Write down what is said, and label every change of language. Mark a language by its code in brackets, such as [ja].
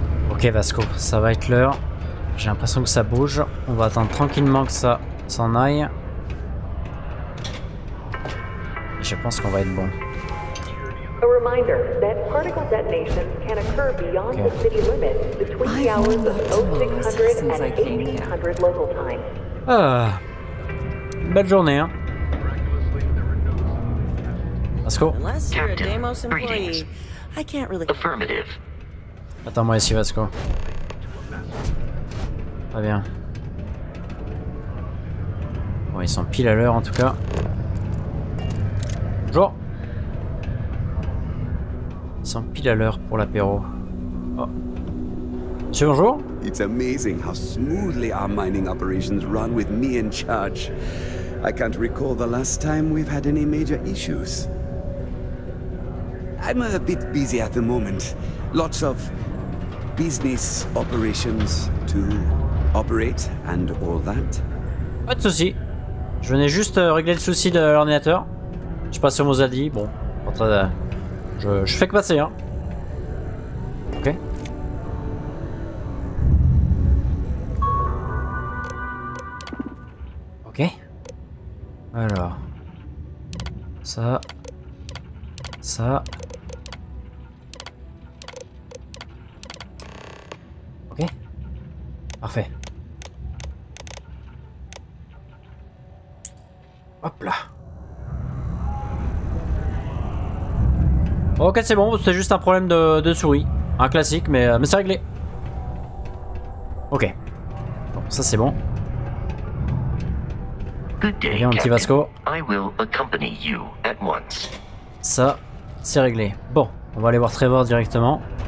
[fr] Ok Vasco, ça va être l'heure. J'ai l'impression que ça bouge. On va attendre tranquillement que ça s'en aille. Je pense qu'on va être bon. [en] A reminder that particle detonations can occur beyond the city limits between the hours of 0600 and 1800 local time. [fr] Belle journée, hein. [en] Let's go. Unless you're a Deimos employee, I can't really. Affirmative. [fr] Attends-moi ici, Vasco. Très bien. Bon, ils sont pile à l'heure en tout cas. Bonjour. Ils sont pile à l'heure pour l'apéro. Oh. Monsieur, bonjour. [en] It's amazing how smoothly our mining operations run with me in charge. I can't recall the last time we've had any major issues. I'm a bit busy at the moment. Lots of business operations to operate and all that. [fr] Pas de soucis. Je venais juste régler le souci de l'ordinateur. Je passe sur Mosadi, bon, en train de... je fais que passer, hein. Ok. Ok. Alors. Ça. Ça. Ok. Parfait. Hop là. Ok, c'est bon, c'était juste un problème de souris. Un classique, mais c'est réglé. Ok. Bon, ça c'est bon. [en] Good day, [fr] allez, mon petit Vasco. [en] I will accompany you at once. [fr] Ça, c'est réglé. Bon, on va aller voir Trevor directement.